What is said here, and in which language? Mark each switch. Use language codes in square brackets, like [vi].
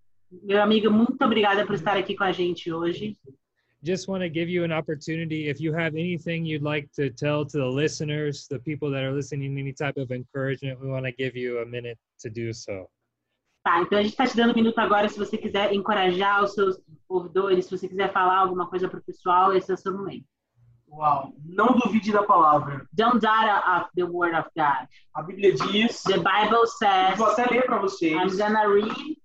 [pt] Meu amigo, muito obrigada por estar aqui com a gente hoje. [en] Just want to give you an opportunity, if you have anything you'd like to tell to the listeners, the people that are listening, any type of encouragement, we want to give you a minute to do so. [pt] Tá, então a gente está te dando um minuto agora, se você quiser encorajar os seus ouvidores, se você quiser falar alguma coisa para o pessoal, esse é o seu momento. Uau, não duvide da palavra. [en] Don't doubt of the word of God. [pt] A Bíblia diz. [en] The Bible says. [pt] Vou até ler para vocês. [en] I'm gonna read.